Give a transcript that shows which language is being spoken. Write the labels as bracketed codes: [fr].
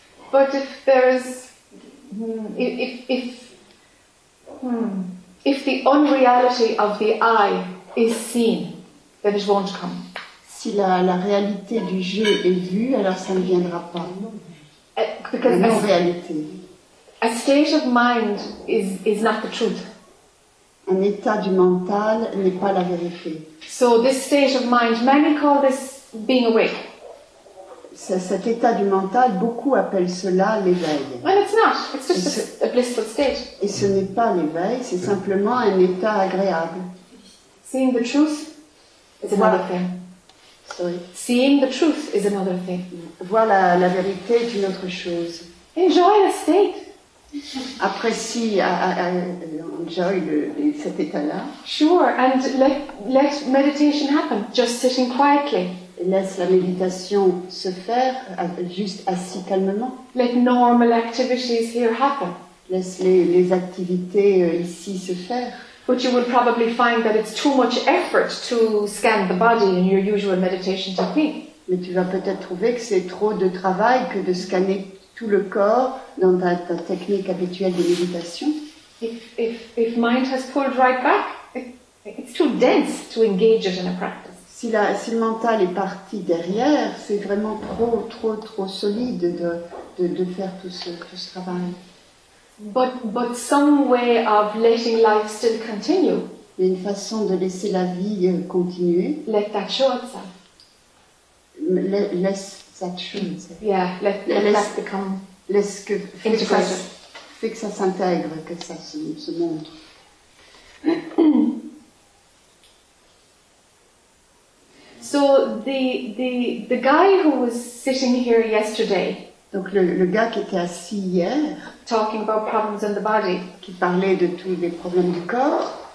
[en] But if there is, if the unreality of the eye is seen, then it won't come. [fr] Si la réalité du jeu est vue, alors ça ne viendra pas. [en] A state of mind is not the truth. [fr] Un état du mental n'est pas la vérité. [en] So this state of mind, many call this being awake. [fr] Cet état du mental, beaucoup appellent cela l'éveil. [en] Well, it's not. It's just a blissful state. [fr] Et ce n'est pas l'éveil, c'est simplement un état agréable. [en] Seeing the truth is another thing. Sorry. Seeing the truth is another thing. [fr] Voir la vérité est une autre chose. [en] Enjoy the state. [fr] Apprécie, enjoy cet état-là. [en] Sure, and let meditation happen, just sitting quietly. [fr] Et laisse la méditation se faire, juste assis calmement. [en] Let normal activities here happen. [fr] Laisse les activités ici se faire. [en] But you will probably find that it's too much effort to scan the body in your usual meditation technique. [fr] Mais tu vas peut-être trouver que c'est trop de travail que de scanner tout le corps dans ta technique habituelle de méditation. [en] If mind has pulled right back, it's too dense to engage it in a practice. [fr] Si le mental est parti derrière, c'est vraiment trop solide de faire tout ce travail. [en] But some way of letting life still continue. [fr] Mais une façon de laisser la vie continuer. [en] Let that show itself. [fr] Laisse [en] that show itself. Yeah, let that become [fr] laisse que [en] integrated. [fr] Fait que ça s'intègre, que ça se montre. [en] So the guy who was sitting here yesterday. [fr] Donc le gars qui était assis hier, [en] talking about problems in the body, [fr] qui parlait de tous les problèmes du corps.